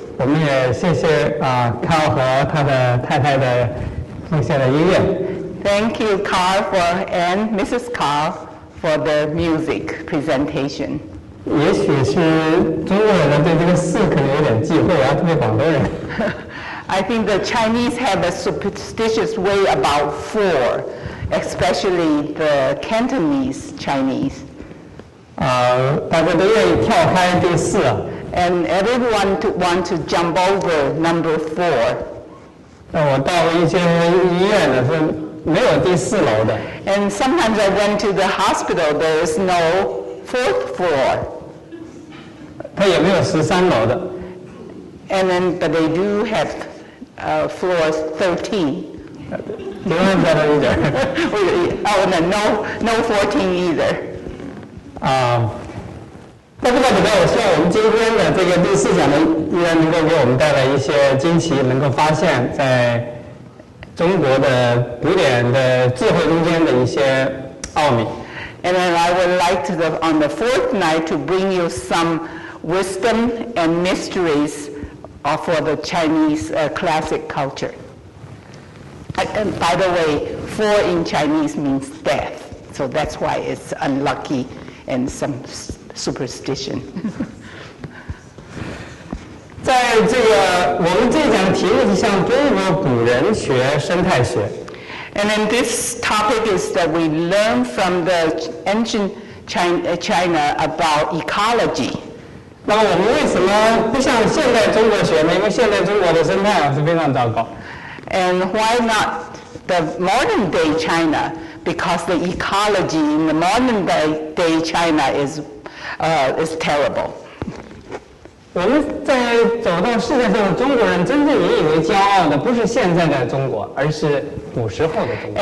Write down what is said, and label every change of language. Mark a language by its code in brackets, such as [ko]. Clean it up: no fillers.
[zh] 我们也谢谢Carl 和他的太太的奉献的音乐。 [en] Thank you, Carl and Mrs. Carl for the music presentation. [zh] 也许是中国人对这个四可能有点忌讳啊，特别广东人。 [en] I think the Chinese have a superstitious way about four, especially the Cantonese Chinese. [zh] 大家都愿意跳开第四。 [en] And everyone want to jump over number four. [zh] 那我到了一些医院呢，是没有第四楼的。 [en] And sometimes I went to the hospital, there is no fourth floor. [zh] 它也没有十三楼的。 [en] And then, but they do have floor 13. No, no, either. Oh, no, no, no 14 either. [zh] 那不管怎么样，我希望我们今天的这个第四讲呢，依然能够给我们带来一些惊奇，能够发现在中国的古典的智慧中间的一些奥秘。 [en] And then I would like to on the fourth night to bring you some wisdom and mysteries. For the Chinese classic culture. And by the way, four in Chinese means death, so that's why it's unlucky and some superstition. [zh] 在这个我们这讲题目是向中国古人学生态学。 [en] And then this topic is that we learn from the ancient China about ecology. [zh] 那么我们为什么不像现代中国学呢？因为现代中国的生态是非常糟糕。 [en] And why not the modern day China? Because the ecology in the modern day China is terrible. [zh] 我们在走到世界上，中国人真正引以为骄傲的不是现在的中国，而是古时候的中国。